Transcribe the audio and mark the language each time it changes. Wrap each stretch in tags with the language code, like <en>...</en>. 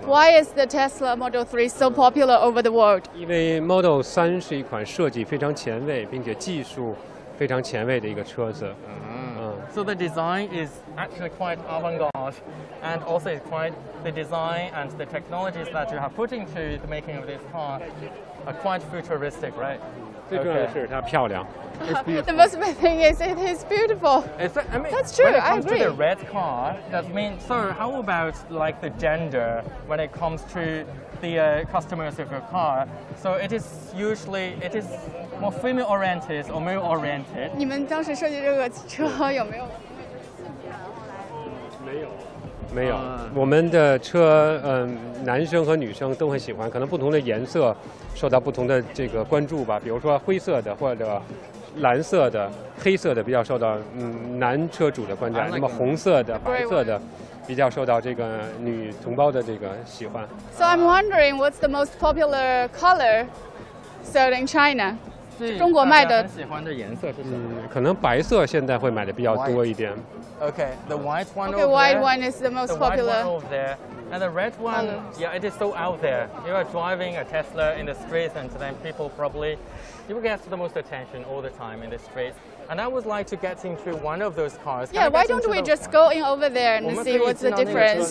<en>Why is the Tesla Model 3 so popular over the world?</en> <zh>因为 Model 3是一款设计非常前卫，并且技术非常前卫的一个车子。</zh> <en>So the design is actually quite avant-garde, and also it's quite the design and the technologies that you have put into the making of this car are quite futuristic, right?</en> <zh>最重要的是它漂亮。</zh> <en>The most important thing is it is beautiful. That's true. When it comes I agree. To the red car, that means. So how about like the gender when it comes to the customers of your car? So it is usually it is. More female oriented or male oriented?</en> <zh>你们当时设计这个车有没有？没有，没有。我们的车，男生和女生都很喜欢，可能不同的颜色受到不同的这个关注吧。比如说灰色的或者蓝色的、黑色的比较受到男车主的关注，那么红色的、白色的。比较受到这个女同胞的这个喜欢。</zh> <en>So I'm wondering what's the most popular color sold in China?</en> <zh>中国卖的。大家很喜欢的颜色是什么？可能白色现在会买的比较多一点。</zh> <en>Okay, the white one. Okay, white one is the most popular. The white one over there, and the red one. Yeah, it is so out there. You are driving a Tesla in the streets, and then people probably you will get the most attention all the time in the streets. And I would like to get into one of those cars. Yeah, why don't we just go in over there and see what's the difference?</en>